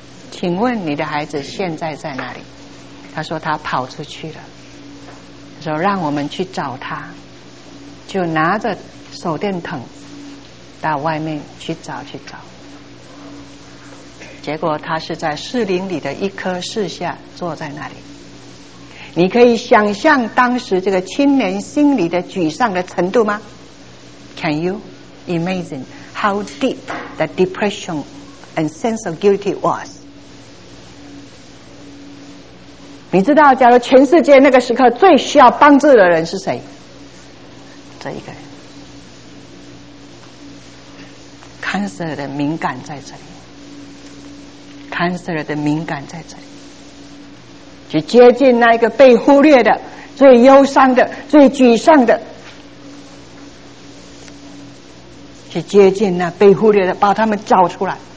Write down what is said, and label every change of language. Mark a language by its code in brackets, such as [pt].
[zh] 请问你的孩子现在在哪里？他说他跑出去了，说让我们去找他，就拿着手电筒到外面去找去找。结果他是在树林里的一棵树下坐在那里。你可以想象当时这个青年心里的沮丧的程度吗？ [en] Can you imagine how deep the depression and sense of guilty was？ [zh] 你知道假如全世界那个时刻最需要帮助的人是谁？这一个人 cancer 的敏感在这里， cancer 的敏感在这里，去接近那一个被忽略的、最忧伤的、最沮丧的，去接近那被忽略的，把他们找出来。